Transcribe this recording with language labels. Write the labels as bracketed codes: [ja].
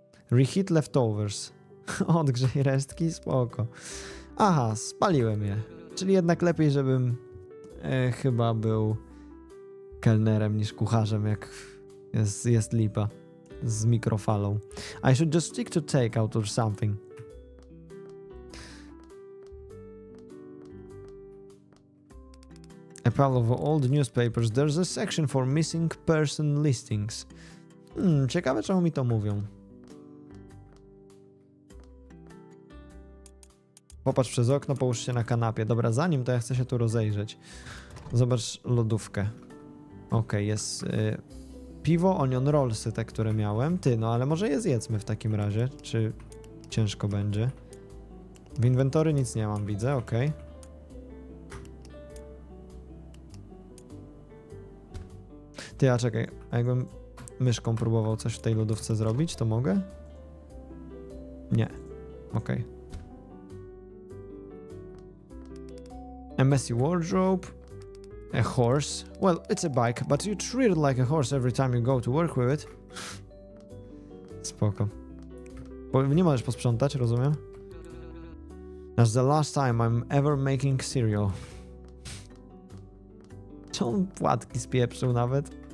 [en] Reheat leftovers. [pl] Odgrzej resztki, spoko. Aha, spaliłem je. Czyli jednak lepiej, żebym chyba był kelnerem niż kucharzem, jak jest lipa z mikrofalą. [en] I should just stick to takeout or something. A pile of old newspapers. There's a section for missing person listings. [pl] Ciekawe, czemu mi to mówią. Popatrz przez okno, połóż się na kanapie. Dobra, zanim to ja chcę się tu rozejrzeć. Zobacz lodówkę. Okej, jest piwo, onion rollsy, te, które miałem. Ty, no ale może je zjedzmy w takim razie. Czy ciężko będzie? W inwentory nic nie mam, widzę, okej. Ty, a czekaj, a jakbym myszką próbował coś w tej lodówce zrobić, to mogę? Nie. Okej. [en] A messy wardrobe. A horse. Well, it's a bike, but you treat it like a horse every time you go to work with it. [pl] Spoko. Bo nie możesz posprzątać, rozumiem? [en] That's the last time I'm ever making cereal. [pl] Czemu płatki spieprzył nawet?